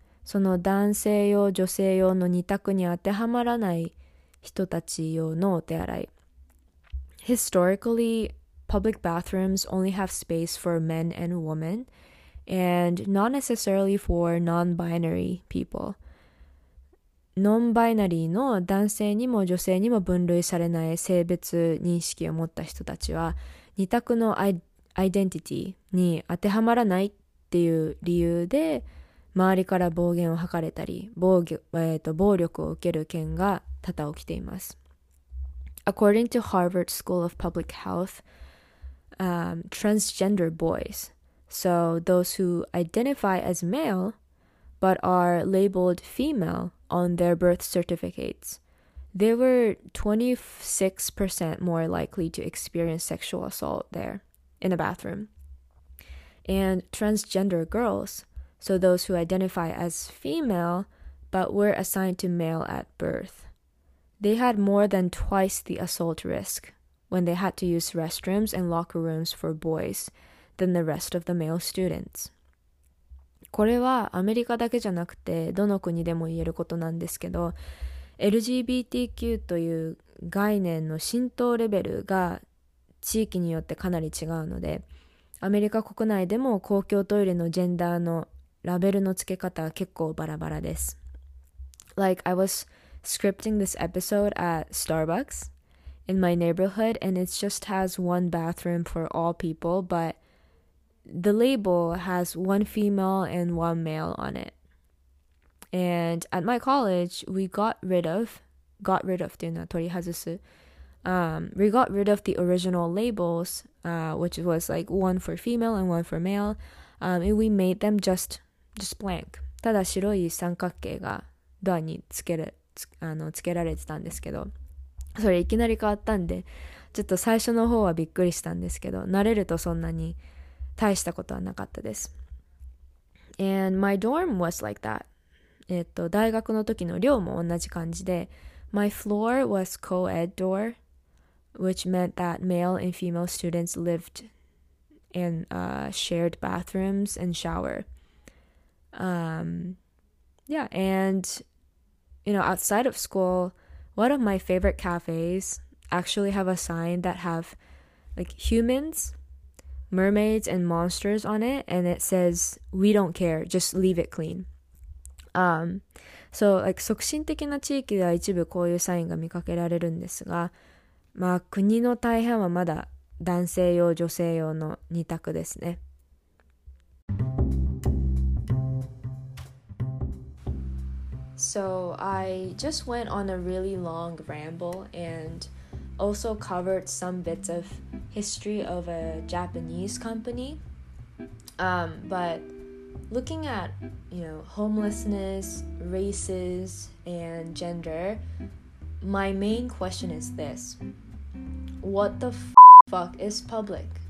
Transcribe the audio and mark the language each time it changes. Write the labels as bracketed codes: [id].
[ja] その男性用女性用の2択に当てはまらない人たち用のお手洗い。 [en] Historically, public bathrooms only have space for men and women, and not necessarily for non-binary people. [ja] Non-binary の男性にも女性にも分類されない性別認識を持った人たちは、二択のアイデンティティに当てはまらないっていう理由で、周りから暴言を吐かれたり、暴力を受ける件が多々起きています。 [en] According to Harvard School of Public Health, transgender boys, so those who identify as male but are labeled female on their birth certificates, they were 26% more likely to experience sexual assault there in the bathroom. And transgender girls, so those who identify as female but were assigned to male at birth, they had more than twice the assault risk when they had to use restrooms and locker rooms for boys than the rest of the male students. [ja] これはアメリカだけじゃなくてどの国でも言えることなんですけど、 LGBTQ という概念の浸透レベルが地域によってかなり違うので、アメリカ国内でも公共トイレのジェンダーのラベルの付け方は結構バラバラです。 [en] Like I wasscripting this episode at Starbucks in my neighborhood, and it just has one bathroom for all people, but the label has one female and one male on it. And at my college, we got rid of the original labels, which was like one for female and one for male, and we made them just blank. [ja] ただ白い三角形がドアにつけるつけられてたんですけど、それいきなり変わったんで、ちょっと最初の方はびっくりしたんですけど、慣れるとそんなに大したことはなかったです。 [en] And my dorm was like that. [ja] 大学の時の寮も同じ感じで、 [en] My floor was co-ed door, which meant that male and female students lived in shared bathrooms and shower. Yeah, and... You know, outside of school, one of my favorite cafes actually have a sign that have like humans, mermaids, and monsters on it, and it says, "We don't care, just leave it clean." So, like, [ja] 促進的な地域では一部こういうサインが見かけられるんですが、まあ国の大半はまだ男性用、女性用の2択ですね。 [en] So, I just went on a really long ramble and also covered some bits of history of a Japanese company. But looking at, homelessness, races, and gender, my main question is this: what the fuck is public?